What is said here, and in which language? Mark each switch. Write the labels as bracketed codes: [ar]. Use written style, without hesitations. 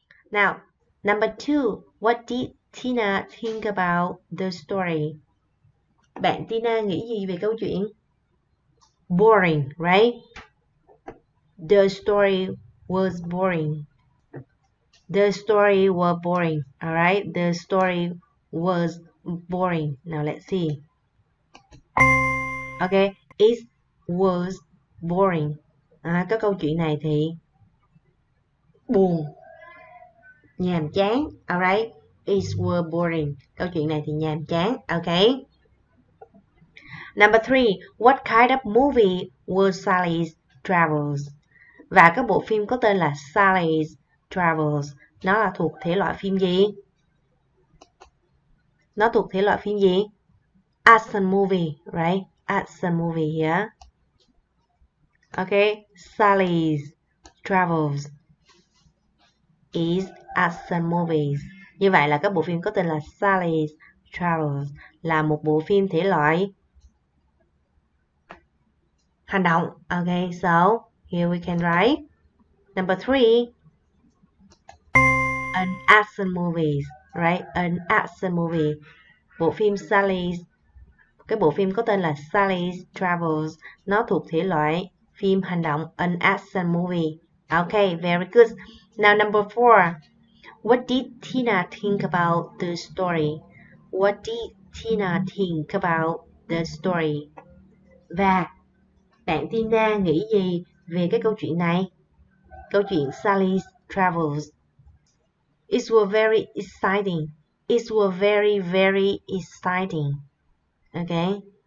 [en] Now, number two, what did Tina think about the story? [vi] Bạn Tina nghĩ gì về câu chuyện? [en] Boring, right? The story was boring. The story was boring, all right? The story was boring. Now let's see. Okay, it was boring. [vi] À, cái câu chuyện này thì buồn, nhàm chán, [en] all right? It was boring. [vi] Câu chuyện này thì nhàm chán, okay? [en] Number three, what kind of movie was Sally's Travels? [vi] Và cái bộ phim có tên là Sally's Travels, nó là thuộc thể loại phim gì? Nó thuộc thể loại phim gì? [en] Action movie, right? Action movie here. Okay, Sally's Travels is action movies. [vi] Như vậy là cái bộ phim có tên là Sally's Travels là một bộ phim thể loại hành động. [en] Okay, so here we can write. Number three, an action movie, right? An action movie. [vi] Bộ phim Sally's, cái bộ phim có tên là Sally's Travels, nó thuộc thể loại phim hành động, [en] an action movie. Okay, very good. Now number four, what did Tina think about the story? What did Tina think about the story? [vi] Và bạn Tina nghĩ gì về cái câu chuyện này? Câu chuyện [en] Sally's Travels. It was very exciting. It was very, very exciting. Okay.